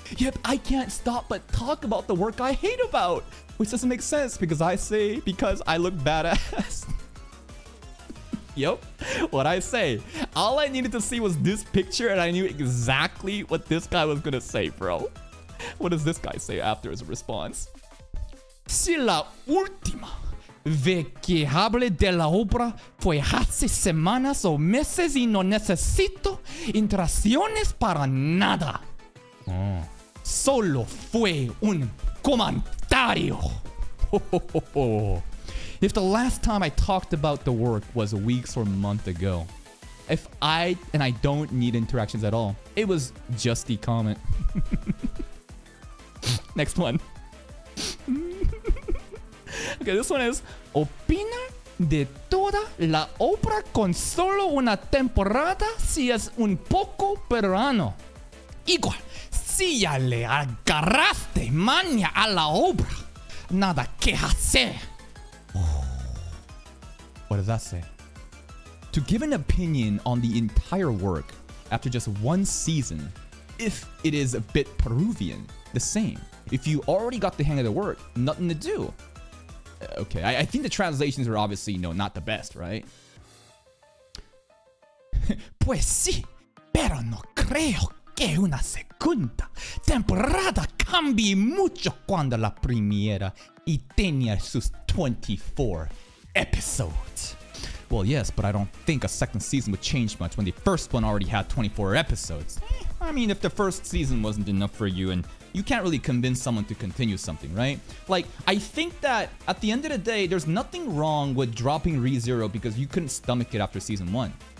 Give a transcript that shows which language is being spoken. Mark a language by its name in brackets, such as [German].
[English] Yet I can't stop but talk about the work I hate about. Which doesn't make sense because I say because I look badass. Yep, what I say. All I needed to see was this picture and I knew exactly what this guy was gonna say, bro. What does this guy say after his response? [Spanish] Si la última vez que hablé de la obra fue hace semanas o meses y no necesito interacciones para nada. Oh. Solo fue un comentario. [English] If the last time I talked about the work was weeks or months ago, if I and I don't need interactions at all, it was just the comment. Next one. Okay, this one is, [Spanish] opina de toda la obra con solo una temporada si es un poco peruano. Igual, si ya le agarraste maña a la obra, nada que hacer. [English] What does that say? To give an opinion on the entire work after just one season, if it is a bit Peruvian, the same. If you already got the hang of the work, nothing to do. Okay, I think the translations are obviously, you know, not the best, right? [Spanish] Pues sí, pero no creo que una segunda temporada cambie mucho cuando la primera y tenía sus 24 episodes. [English] Well, yes, but I don't think a second season would change much when the first one already had 24 episodes. I mean, if the first season wasn't enough for you, and you can't really convince someone to continue something, right? Like, I think that at the end of the day, there's nothing wrong with dropping ReZero because you couldn't stomach it after season one.